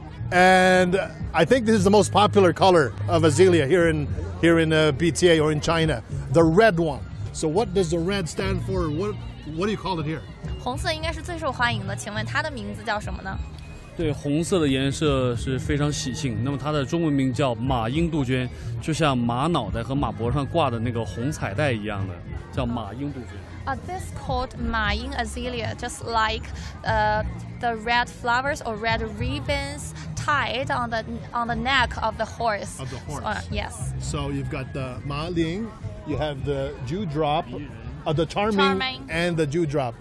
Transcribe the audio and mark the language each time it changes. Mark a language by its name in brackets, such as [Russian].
[English] And I think this is the most popular color of azalea here in BTA or in China, the red one. So what does the red stand for? What do you call it here? [Chinese] 红色应该是最受欢迎的，请问它的名字叫什么呢？对，红色的颜色是非常喜庆。那么它的中文名叫马缨杜鹃，就像马脑袋和马脖上挂的那个红彩带一样的，叫马缨杜鹃。 [English] This is called Maying Azalea, just like the red flowers or red ribbons tied on the neck of the horse. Of the horse. Yes. So you've got the Maying, you have the dewdrop, the charming, and the dewdrop.